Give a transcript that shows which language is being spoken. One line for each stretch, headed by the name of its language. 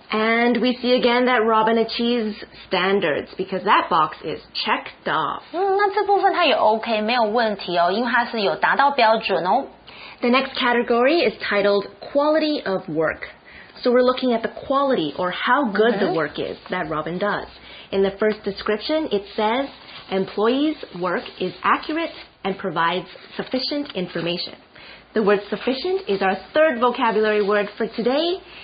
English: And we see again that Robin achieves standards because that box is checked off.
Chinese: 那这部分他也 OK， 没有问题哦，因为他是有达到标准哦。
English: The next category is titled quality of work. So we're looking at the quality or how good the work is that Robin does. In the first description, it says employee's work is accurate and provides sufficient information. The word sufficient is our third vocabulary word for today.